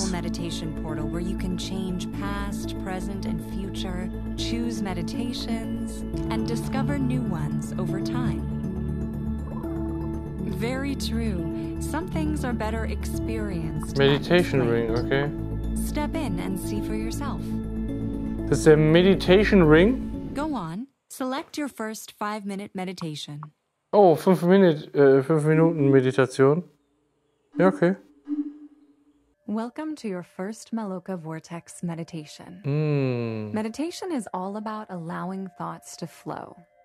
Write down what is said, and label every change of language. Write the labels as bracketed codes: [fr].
[en] Powerful meditation portal where you can change past, present, and future, choose meditations, and discover new ones over time. very true. Some things are better experienced. Meditation ring, okay. Step in and see for yourself. [de] Das ist der Meditation Ring. [en] Go on. Select your first 5-minute meditation. [de] Oh, 5 Minuten Meditation. Ja, okay. [en] Welcome to your first Maloka Vortex meditation. Meditation is all about allowing thoughts to flow.